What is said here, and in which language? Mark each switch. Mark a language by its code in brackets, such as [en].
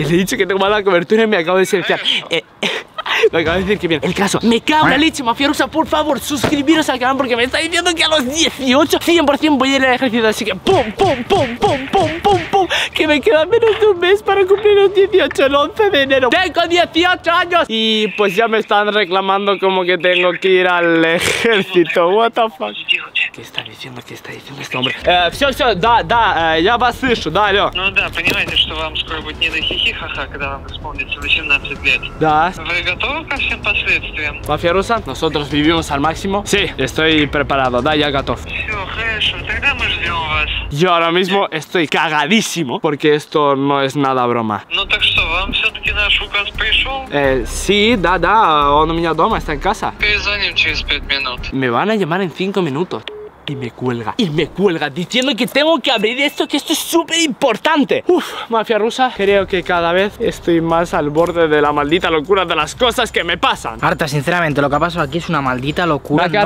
[ru] Или что, это была кобертура, я говорю, сейчас. [es] Lo acabo de decir que bien. El caso, me cago en la leche, Mafia Rusa. Por favor, suscribiros al canal, porque me está diciendo que a los 18 100% voy a ir al ejército. Así que pum, pum, pum, pum, pum, pum, pum. Que me queda menos de un mes para cumplir los 18, el 11 de enero. Tengo 18 años. Y pues ya me están reclamando como que tengo que ir al ejército. [en] What the fuck. [es] ¿Qué está diciendo? ¿Qué está diciendo este hombre? [ru] Все, да, да, я вас слышу, да, алло. Ну да, понимаете, что вам скоро будет не до хихихаха, когда вам исполнится 18 лет. Да. Вы готовы ко всем последствиям? [es] Мафия Руса, nosotros vivimos al máximo. Sí, estoy preparado, [ru] да, я готов. Все, хорошо, тогда мы ждем вас. [es] Yo ahora mismo estoy cagadísimo, porque esto no es nada broma. [ru] Ну так что, вам все-таки наш указ пришел? Sí, да, да, он у меня дома, [es] está en casa. [ru] Перезвоним через 5 минут. [es] Me van a llamar en 5 minutos. Y me cuelga, diciendo que tengo que abrir esto, que esto es súper importante. Uf, mafia rusa, creo que cada vez estoy más al borde de la maldita locura de las cosas que me pasan. Arta, sinceramente, lo que ha pasado aquí es una maldita locura. Dakar,